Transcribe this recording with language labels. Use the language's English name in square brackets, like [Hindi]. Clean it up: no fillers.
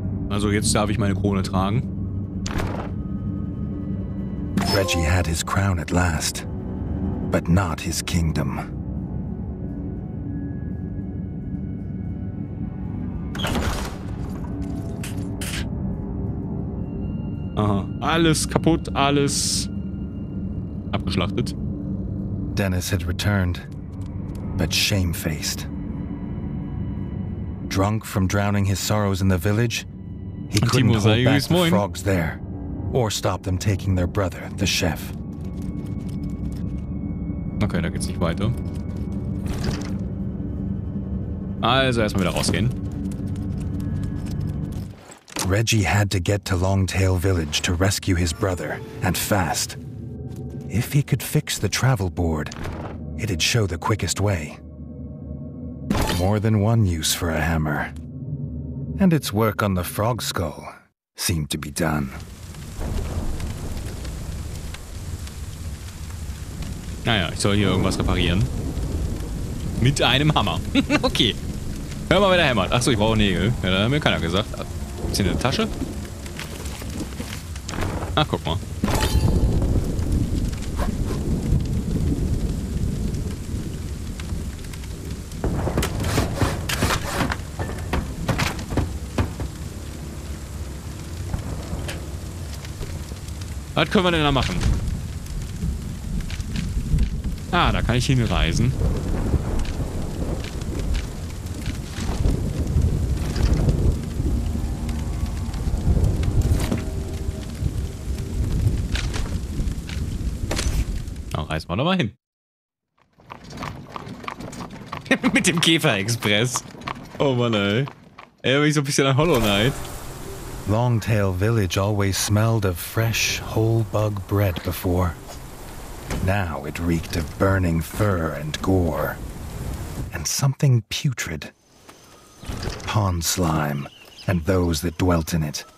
[German] Also jetzt darf ich meine Krone tragen. [English] Reggie had his crown at last, but not his kingdom. Aha. [German] Alles kaputt, alles abgeschlachtet. [English] Dennis had returned, but shamefaced. Drunk from drowning his sorrows in the village, he couldn't hold back the frogs there. Or stop them taking their brother, the chef. [German] Okay, da geht's nicht weiter. Also erstmal wieder rausgehen. [English] Reggie had to get to Longtail Village to rescue his brother, and fast. If he could fix the travel board, it'd show the quickest way. More than one use for a hammer. And its work on the frog skull seemed to be done. [German] Naja, ich soll hier irgendwas reparieren. Mit einem Hammer. Okay. Hör mal, wer da hämmert. Achso, ich brauche Nägel. Ja, da hat mir keiner gesagt. Ist hier eine Tasche? Ach, guck mal. Was können wir denn da machen? Ah, da kann ich hinreisen. Na, reisen wir doch mal hin. Mit dem Käfer-Express. Oh Mann, ey. Ey, bin ich so ein bisschen an Hollow Knight. [English] Longtail Village always smelled of fresh, whole bug bread before. Now it reeked of burning fur and gore. And something putrid. Pond slime and those that dwelt in it.